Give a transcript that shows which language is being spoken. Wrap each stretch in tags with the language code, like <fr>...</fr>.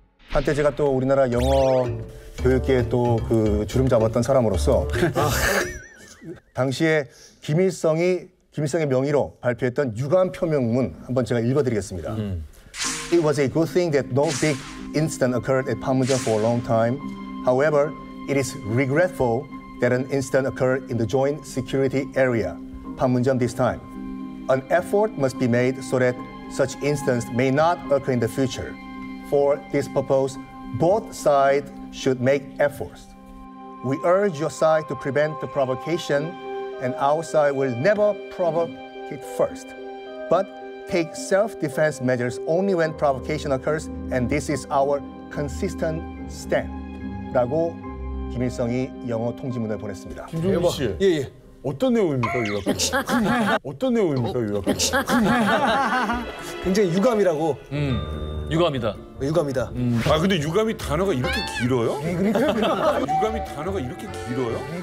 <ko>한때 제가 또 우리나라 영어 교육계에 또 그 주름 잡았던 사람으로서 당시에 김일성이 김일성의 명의로 발표했던 유감 표명문 한번 제가 읽어드리겠습니다.</ko> <en>It was a good thing that no big incident occurred at Panmunjom for a long time. However, it is regretful that an incident occurred in the joint security area, Panmunjom this time. An effort must be made so that such incidents may not occur in the future. For this purpose, both sides should make efforts. We urge your side to prevent the provocation, and our side will never provoke it first. But take self-defense measures only when provocation occurs, and this is our consistent stand.</en> <ko>라고 김일성이 영어 통지문을 보냈습니다. 김종민 씨. 예, 예. 어떤 내용입니까, 유학? 어떤 내용입니까, 유학? 굉장히 유감이라고. 유감이다. 유감이다. 아 근데 유감이 단어가 이렇게 길어요? 유감이 단어가 이렇게 길어요?</ko>